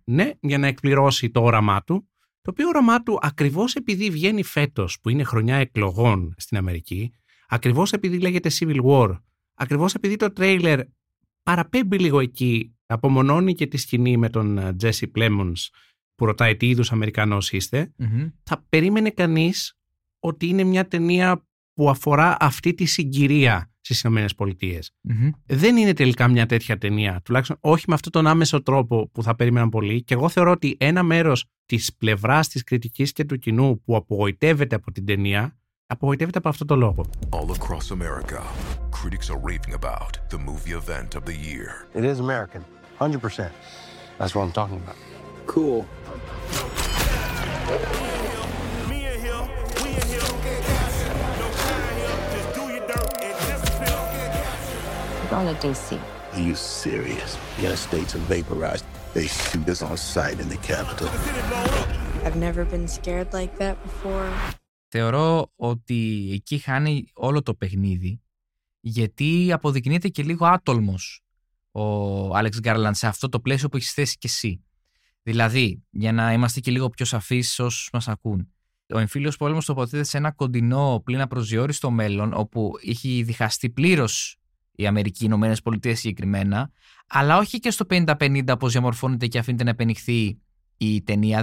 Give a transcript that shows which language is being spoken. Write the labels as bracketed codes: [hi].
[el] Ναι, για να εκπληρώσει το όραμά του. Το οποίο όραμά του, ακριβώς επειδή βγαίνει φέτος, που είναι χρονιά εκλογών στην Αμερική, ακριβώς επειδή λέγεται Civil War, ακριβώς επειδή το τρέιλερ παραπέμπει λίγο εκεί, απομονώνει και τη σκηνή με τον Jesse Plemons που ρωτάει τι είδους Αμερικανός είστε, θα περίμενε κανείς ότι είναι μια ταινία που αφορά αυτή τη συγκυρία στις Ηνωμένες Πολιτείες. Δεν είναι τελικά μια τέτοια ταινία, τουλάχιστον όχι με αυτόν τον άμεσο τρόπο που θα περίμεναν πολλοί. Και εγώ θεωρώ ότι ένα μέρος της πλευράς της κριτικής και του κοινού που απογοητεύεται από την ταινία, απογοητεύεται από αυτόν τον λόγο. [en] All across America, critics are raving about the movie event of the year. It is American, 100%. That's what I'm talking about. Cool. DC. Are you serious? The interstates are vaporized. They shoot us on sight in the capital. I've never been scared like that before. [el] Θεωρώ ότι εκεί χάνει όλο το παιχνίδι γιατί αποδεικνύεται και λίγο άτολμος ο Άλεξ Γκάρλαντ σε αυτό το πλαίσιο που έχεις θέσει και εσύ. Δηλαδή, για να είμαστε και λίγο πιο σαφείς όσους μας ακούν, ο εμφύλιος πόλεμος τοποθετείται σε ένα κοντινό, πλην απροσδιορίστο μέλλον, όπου έχει διχαστεί πλήρως η Αμερική, οι Ηνωμένες Πολιτείες συγκεκριμένα, αλλά όχι και στο 50-50 όπως διαμορφώνεται και αφήνεται να επενυχθεί η ταινία.